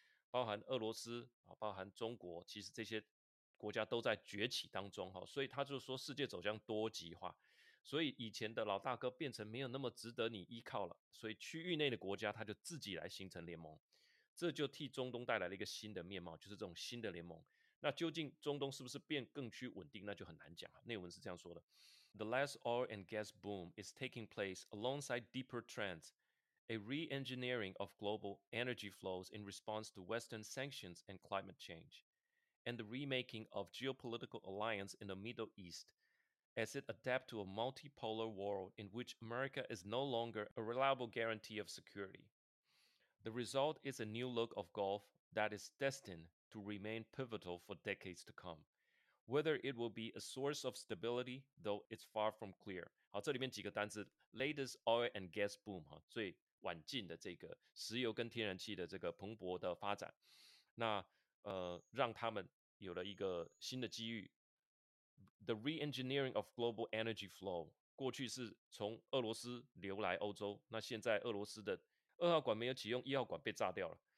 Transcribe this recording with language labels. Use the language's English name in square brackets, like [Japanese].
[Chinese] 包含俄罗斯，包含中国，其实这些国家都在崛起当中，所以他就说世界走向多极化，所以以前的老大哥变成没有那么值得你依靠了，所以区域内的国家他就自己来形成联盟，这就替中东带来了一个新的面貌，就是这种新的联盟。那究竟中东是不是变更趋稳定，那就很难讲。内文是这样说的， [English] The last oil and gas boom is taking place alongside deeper trendsA re-engineering of global energy flows in response to Western sanctions and climate change. and the remaking of geopolitical alliance in the Middle East as it adapts to a multipolar world in which America is no longer a reliable guarantee of security. The result is a new look of Gulf that is destined to remain pivotal for decades to come. Whether it will be a source of stability, though it's far from clear. [Chinese] 好，这里面几个单词 [English] latest oil and gas boom, [Chinese] 所以晚近的这个石油跟天然气的这个蓬勃的发展，那让他们有了一个新的机遇。 [English] The re-engineering of global energy flow, [Chinese] 过去是从俄罗斯流来欧洲，那现在俄罗斯的二号管没有启用，一号管被炸掉了。